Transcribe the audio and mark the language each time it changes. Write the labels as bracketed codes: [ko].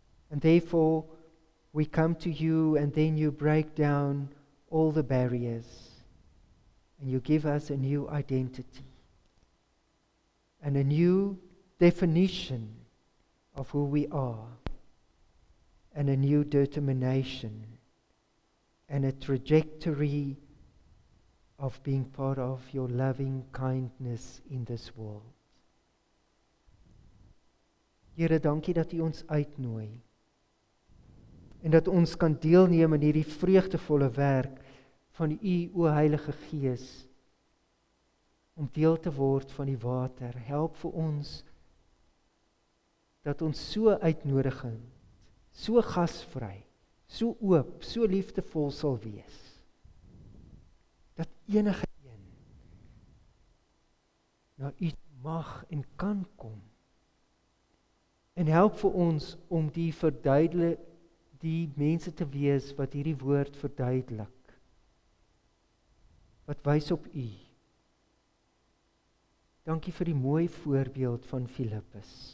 [en] And therefore, we come to You and then You break down all the barriers and You give us a new identity and a new definition of who we are and a new determination and a trajectory of being part of Your loving kindness in this world. [af] Here, dankie dat U ons uitnooi. En dat ons kan deelneem in hierdie vreugdevolle werk van U, o Heilige Gees, om deel te word van die water. Help vir ons dat ons so uitnodigend, so gasvry, so oop, so liefdevol sal wees. Dat enige een na u mag en kan kom. En help vir ons om die verduidelik die mense te wees wat hierdie woord verduidelik. Wat wys op u. Dankie vir die mooi voorbeeld van Filippus.